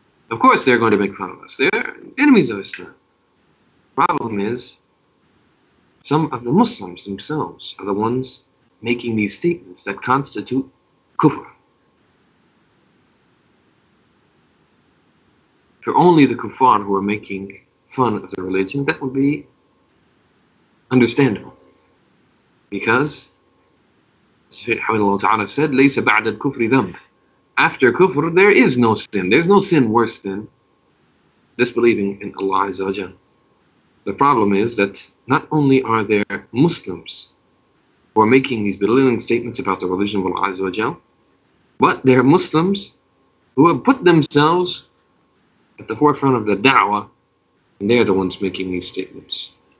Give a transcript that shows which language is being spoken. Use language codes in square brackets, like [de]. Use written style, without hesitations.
[en] Of course they're going to make fun of us. They're enemies of Islam. The problem is, some of the Muslims themselves are the ones making these statements that constitute kufr. If you're only the kuffar who are making fun of the religion, that would be understandable. Because Allah said, [ar] لَيْسَ بَعْدَ الْكُفْرِ ذَنْبٍ. [en] After kufr, there is no sin. There's no sin worse than disbelieving in Allah Azza wa Jalla. The problem is that not only are there Muslims who are making these belittling statements about the religion of Allah Azza wa Jalla, but there are Muslims who have put themselves at the forefront of the da'wah, and they're the ones making these statements.